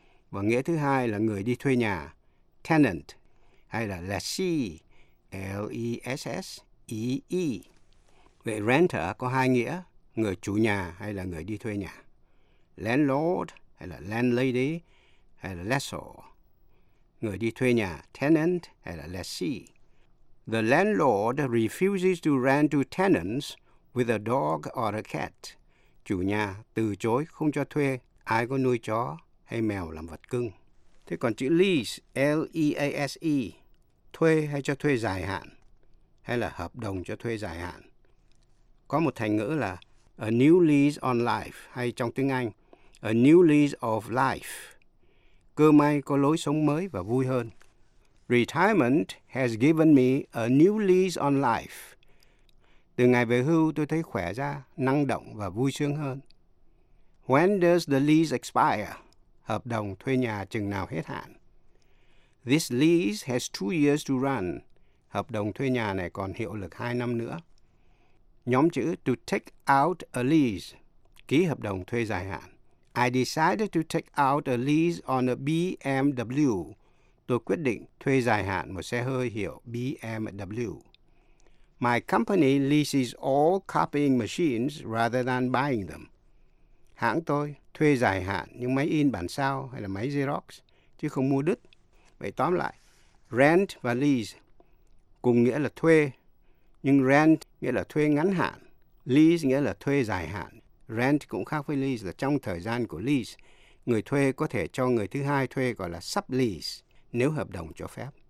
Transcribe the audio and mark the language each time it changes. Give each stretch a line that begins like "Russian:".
Vietnamese: Và nghĩa thứ hai là người đi thuê nhà, tenant, hay là lessee, L-E-S-S-E-E. Vậy renter có hai nghĩa, người chủ nhà hay là người đi thuê nhà, landlord hay là landlady hay là lessor. Người đi thuê nhà, tenant hay là lessee.
English: The landlord refuses to rent to tenants with a dog or a cat.
Vietnamese: Chủ nhà từ chối không cho thuê ai có nuôi chó hay mèo làm vật cưng. Thế còn chữ lease, L-E-A-S-E, thuê hay cho thuê dài hạn, hay là hợp đồng cho thuê dài hạn. Có một thành ngữ là
English: a new lease on life,
Vietnamese: hay trong tiếng Anh,
English: a new lease of life.
Vietnamese: Cơ may có lối sống mới và vui hơn.
English: Retirement has given me a new lease on life.
Vietnamese: Từ ngày về hưu, tôi thấy khỏe ra, năng động và vui sướng hơn.
English: When does the lease expire?
Vietnamese: Hợp đồng thuê nhà chừng nào hết hạn?
English: This lease has 2 years to run.
Vietnamese: Hợp đồng thuê nhà này còn hiệu lực 2 năm nữa. Nhóm chữ
English: to take out a lease,
Vietnamese: ký hợp đồng thuê dài hạn.
English: I decided to take out a lease on a BMW.
Vietnamese: Tôi quyết định thuê dài hạn một xe hơi hiệu BMW.
English: My company leases all copying machines rather than buying them.
Vietnamese: Hãng tôi thuê dài hạn những máy in bản sao hay là máy Xerox, chứ không mua đứt. Vậy tóm lại, rent và lease cùng nghĩa là thuê, nhưng rent nghĩa là thuê ngắn hạn, lease nghĩa là thuê dài hạn. Rent cũng khác với lease là trong thời gian của lease, người thuê có thể cho người thứ hai thuê, gọi là sublease, nếu hợp đồng cho phép.